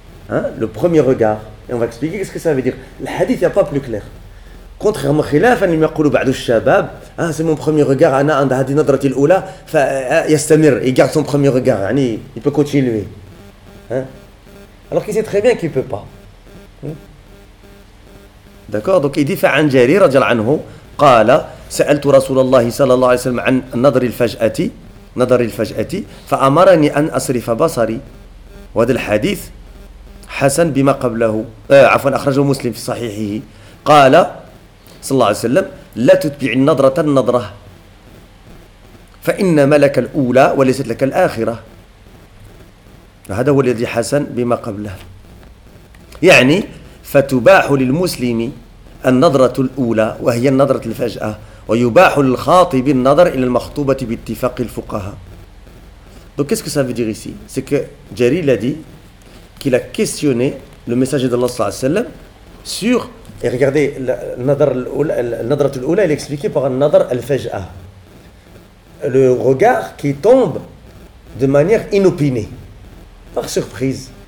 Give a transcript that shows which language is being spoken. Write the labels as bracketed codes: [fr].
[fr] Le premier regard. Et on va expliquer ce que ça veut dire. Le hadith n'est pas plus clair. Contrairement à ce qu'ils disent après les jeunes, c'est mon premier regard, j'ai cette première regard, il continue, il garde son premier regard, il peut continuer. Alors qu'il sait très bien qu'il ne peut pas. D'accord, donc il dit [ar] عن جرير رضي الله عنه قال سألت رسول الله صلى الله عليه وسلم عن نظر الفجأة نظر الفجأة فأمرني أن أصرف بصري. وهذا الحديث حسن بما قبله عفوا أخرجه مسلم في صحيحه قال صلى الله عليه وسلم لا تتبع النظرة النظرة فإن ملك الأولى وليست لك الآخرة. هذا هو الذي حسن بما قبله. يعني فتباح للمسلم النظرة الأولى وهي النظرة الفجأة ويباح للخاطب النظر إلى المخطوبة باتفاق الفقهاء. [fr] Donc qu'est-ce que ça veut dire ici? C'est que Jarir a dit qu'il a questionné le messager d'Allah [ar] صلى الله عليه وسلم [fr] sur. Et regardez, le nadr al-oula est expliqué par un nadr al-faj'a. Le regard qui tombe de manière inopinée, par surprise.